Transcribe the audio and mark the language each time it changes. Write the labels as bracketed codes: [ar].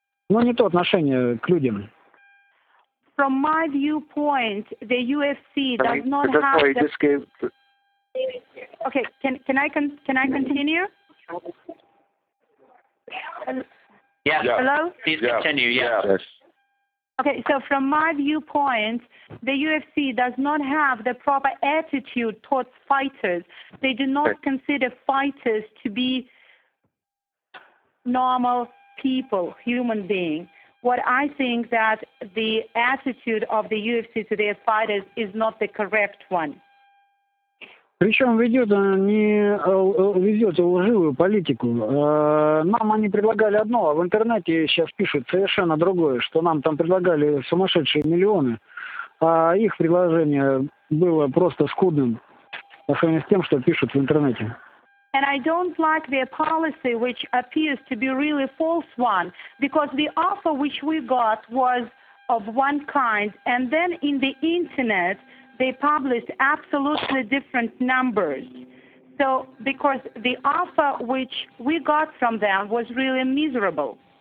[ru] Но не то отношение к людям. [en] From my viewpoint, the UFC does not have. Sorry, just gave. Okay, can I continue? Yes. Hello. Please continue. Yes. Okay, so from my viewpoint, the UFC does not have the proper attitude towards fighters. They do not consider fighters to be normal people, human being. What I think that the attitude of the UFC to their fighters is not the correct one. [ru] Причем ведет лживую политику. Нам они предлагали одно, а в интернете сейчас пишут совершенно другое, что нам там предлагали сумасшедшие миллионы, а их предложение было просто скудным по сравнению с тем, что пишут в интернете. [en] And I don't like their policy, which appears to be really false one, because the offer which we got was of one kind, and then in the internet they published absolutely different numbers. So, because the offer which we got from them was really miserable.